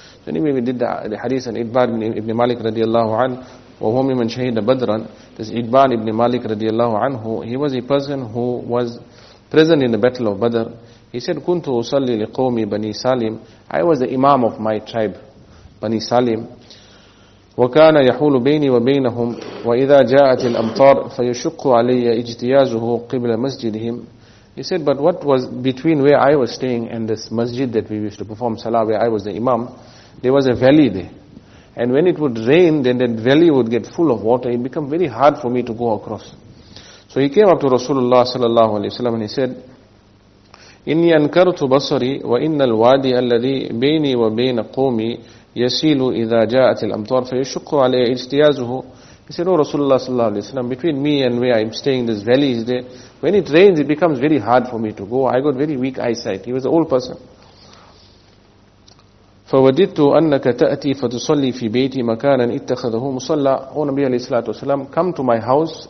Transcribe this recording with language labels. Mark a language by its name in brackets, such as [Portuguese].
[English] So anyway, we did the hadith on Idbar ibn Malik radiallahu anhu, [Arabic] wa humi man shahida badran. [English] This Idbar ibn Malik radiallahu anhu, he was a person who was present in the battle of Badr. He said, [Arabic] kuntu usalli li qawmi bani Salim. [English] I was the imam of my tribe, bani Salim. [Arabic] وكان يحول بيني وبينهم وإذا جاءت الأمطار فيشق علي اجتيازه قبل مسجدهم. [English] He said, but what was between where I was staying and this masjid that we used to perform salah, where I was the imam, there was a valley there. And when it would rain, then that valley would get full of water. It became very hard for me to go across. So he came up to Rasulullah sallallahu alayhi wa sallam and he said, [Arabic] إِنِّي أَنْكَرْتُ بَصَرِي وَإِنَّ الْوَادِي الَّذِي بَيْنِي وَبَيْنَ قُومِي يَسِيلُ إِذَا جَاءَتِ الْأَمْطَارِ فَيَشُقُّ عَلَيْهِ اِجْتِيَازُهُ. [English] He said, oh Rasulullah sallallahu alayhi wa sallam, between me and where I'm staying, this valley is there. When it rains, it becomes very hard for me to go. I got very weak eyesight. He was an old person. [Arabic] فَوَدِدْتُ أَنَّكَ تَأْتِي فَتُصَلِّي فِي بَيْتِي مَكَانًا اتَّخَذَهُ مُصَلَّى. [English] O Nabi alayhi salatu wasalam, come to my house.